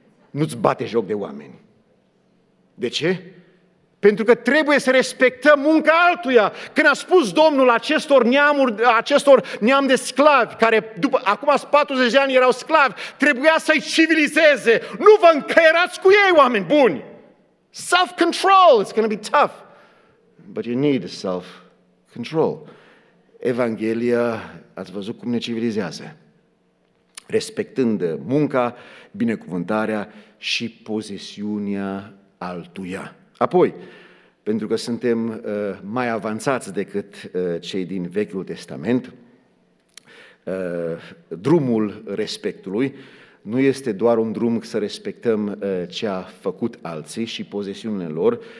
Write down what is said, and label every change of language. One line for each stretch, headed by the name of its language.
Romanian: Nu-ți bate joc de oameni. De ce? Pentru că trebuie să respectăm munca altuia. Când a spus Domnul acestor neamuri, acestor neam de sclavi, care după, acum 40 de ani erau sclavi, trebuia să-i civilizeze. Nu vă încăierați cu ei, oameni buni!
English: Self-control, it's going to be tough. But you need self-control.
Romanian: Evanghelia, ați văzut cum ne civilizează. Respectând munca, binecuvântarea și posesiunea altuia. Apoi, pentru că suntem mai avanțați decât cei din Vechiul Testament, drumul respectului nu este doar un drum să respectăm ce a făcut alții și posesiunile lor.